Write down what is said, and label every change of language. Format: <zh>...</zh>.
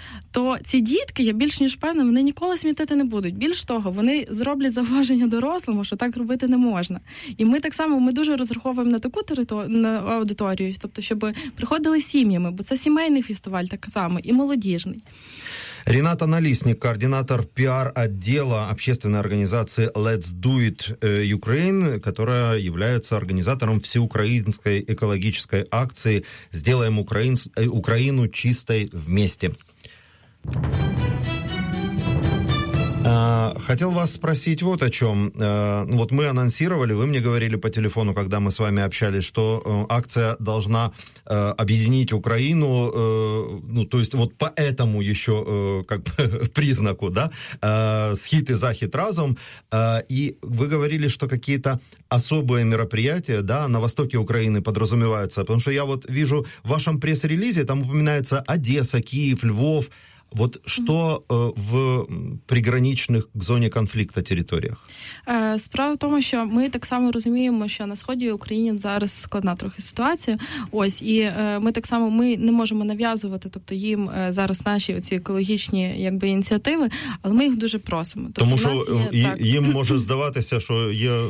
<uk>То ці дітки, я більш ніж певна, вони ніколи смітити не будуть. Більш того, вони зроблять зауваження дорослому, що так робити не можна. І ми так само, ми дуже розраховуємо на таку на аудиторію, тобто, щоб приходили сім'ями, бо це сімейний фестиваль так само, і молодіжний.</uk> <ru>Рената Налісник, координатор PR-отдела общественной организации Let's Do It Ukraine, которая является организатором всеукраинской экологической акции «Сделаем Украину чистой вместе». Хотел вас спросить вот о чем. Вот мы анонсировали, вы мне говорили по телефону, когда мы с вами общались, что акция должна объединить Украину, ну, то есть вот по этому еще как признаку, да,</ru> <uk>схит и захит разом.</uk> <ru>И вы говорили, что какие-то особые мероприятия, да, на востоке Украины подразумеваются. Потому что я вот вижу в вашем пресс-релизе, там упоминается Одесса, Киев, Львов. Вот что в приграничных к зоне конфликта территориях?</ru> <uk>Справа в тому, що ми так само розуміємо, що на сході України зараз складна трохи ситуація. Ось, і ми так само, ми не можемо нав'язувати, тобто їм зараз наші оці екологічні, якби, ініціативи, але ми їх дуже просимо. Тобто, тому що їм може здаватися, що є,</uk>